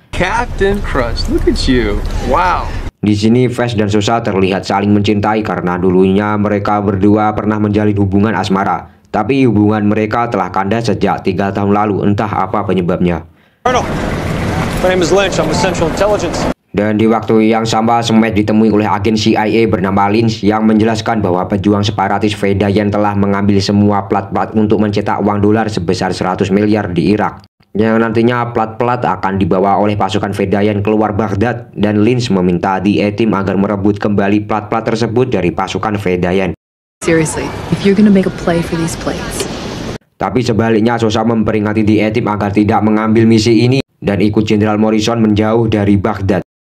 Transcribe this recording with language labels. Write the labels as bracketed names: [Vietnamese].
[English] Captain Crush, look at you. Wow. [Indonesian] Di sini Fez dan Sosa terlihat saling mencintai karena dulunya mereka berdua pernah menjalin hubungan asmara. Tapi hubungan mereka telah kandas sejak 3 tahun lalu, entah apa penyebabnya. [English] Colonel, my name is Lynch, I'm with Central Intelligence. [Indonesian] Dan di waktu yang sama, Smet ditemui oleh agen CIA bernama Lynch yang menjelaskan bahwa pejuang separatis Veda yang telah mengambil semua plat-plat untuk mencetak uang dolar sebesar 100 miliar di Irak. Yang nantinya plat-plat akan dibawa oleh pasukan Fedayan keluar Baghdad, dan Lynch meminta The A-Team agar merebut kembali plat-plat tersebut dari pasukan Fedayan. [English] Seriously, if you're gonna make a play for these plates. [Indonesian] Tapi sebaliknya Sosa memperingati The A-Team agar tidak mengambil misi ini dan ikut Jenderal Morrison menjauh dari Baghdad.